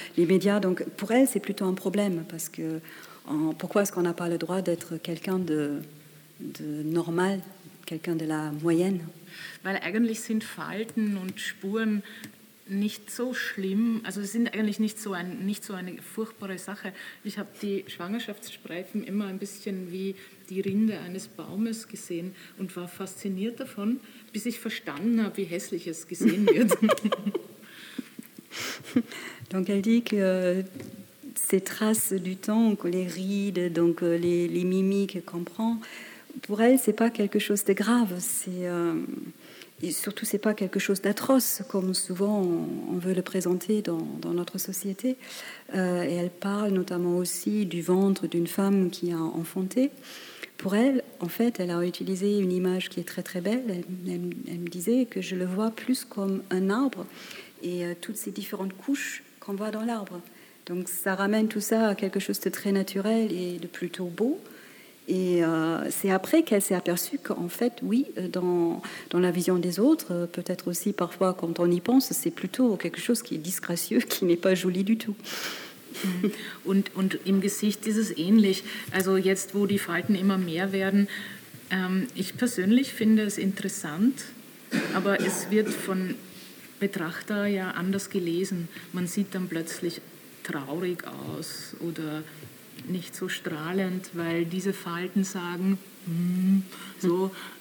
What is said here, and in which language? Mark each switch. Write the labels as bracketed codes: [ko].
[fr] Les médias, donc pour elle, c'est plutôt un problème, parce que pourquoi est-ce qu'on n'a pas le droit d'être quelqu'un de normal, quelqu'un de la moyenne? [de] Weil eigentlich sind Falten und Spuren nicht so schlimm, also sie sind eigentlich nicht so eine furchtbare Sache. Ich habe die Schwangerschaftsstreifen immer ein bisschen wie die Rinde eines Baumes gesehen und war fasziniert davon, bis ich verstanden habe, wie hässlich es gesehen wird. [fr] Donc elle dit que ces traces du temps, les rides, donc les mimiques qu'on prend, pour elle, c'est pas quelque chose de grave, c'est... Et surtout, ce n'est pas quelque chose d'atroce, comme souvent on veut le présenter dans notre société. Et elle parle notamment aussi du ventre d'une femme qui a enfanté. Pour elle, en fait, elle a utilisé une image qui est très, très belle. Elle me disait que je le vois plus comme un arbre et toutes ces différentes couches qu'on voit dans l'arbre. Donc, ça ramène tout ça à quelque chose de très naturel et de plutôt beau. Et c'est après qu'elle s'est aperçue qu'en fait, oui, dans la vision des autres, peut-être aussi parfois quand on y pense, c'est plutôt quelque chose qui est disgracieux, qui n'est pas joli du tout. [de] Und im Gesicht ist es ähnlich. Also jetzt, wo die Falten immer mehr werden, ich persönlich finde es interessant, aber es wird von Betrachter ja anders gelesen. Man sieht dann plötzlich traurig aus oder nicht so strahlend, weil diese Falten sagen, so.